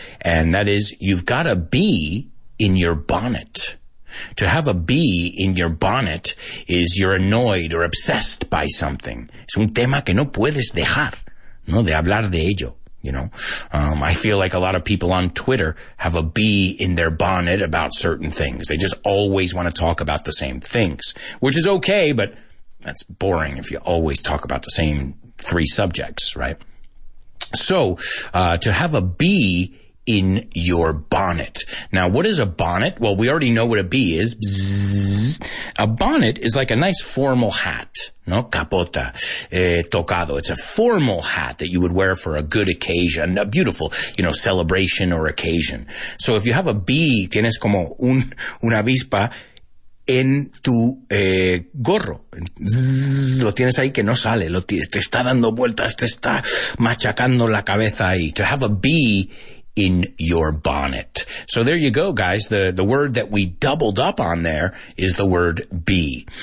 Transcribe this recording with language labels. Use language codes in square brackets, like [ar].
[en] And that is, you've got a bee in your bonnet. To have a bee in your bonnet is you're annoyed or obsessed by something. [es] Es un tema que no puedes dejar, no, de hablar de ello, [en] you know. I feel like a lot of people on Twitter have a bee in their bonnet about certain things. They just always want to talk about the same things, which is okay, but that's boring if you always talk about the same three subjects, right? So, to have a bee in your bonnet. Now, what is a bonnet? Well, we already know what a bee is. Bzzz. A bonnet is like a nice formal hat, no? [es] Capota, tocado. [en] It's a formal hat that you would wear for a good occasion, a beautiful, you know, celebration or occasion. So if you have a bee, [es] tienes como una avispa en tu gorro. Bzzz, lo tienes ahí que no sale. Te está dando vueltas, te está machacando la cabeza ahí. [en] To have a bee in your bonnet. So there you go, guys. The word that we doubled up on there is the word bee.